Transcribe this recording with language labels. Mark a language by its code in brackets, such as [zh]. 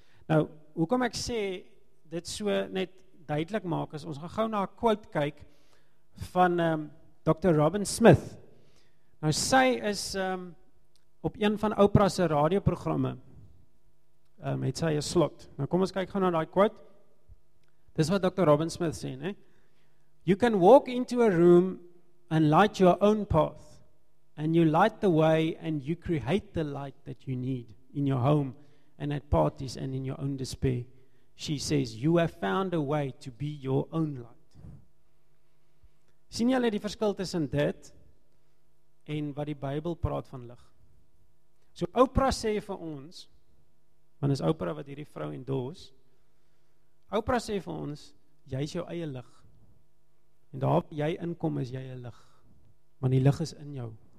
[af] Nou, hoekom ek sê dit so net duidelik maak, is ons gaan gauw na 'n quote kyk van Dr. Robin Smith. Nou, sy is op een van Oprah se radioprogramme. Het sy 'n slot. Nou kom ons kyk gaan na die quote. Dis wat Dr. Robin Smith sê, ne? [en] You can walk into a room and light your own path, and you light the way and you create the light that you need in your home and at parties and in your own despair. She says, you have found a way to be your own light. [af] Sien julle die verskil tussen dit en wat die Bybel praat van lig? So Oprah sê vir ons, want is Oprah wat hierdie vrou endorse, Oprah sê vir ons, jy is jou eie lig, en daar jy inkom is jy 'n lig, want die lig is in jou,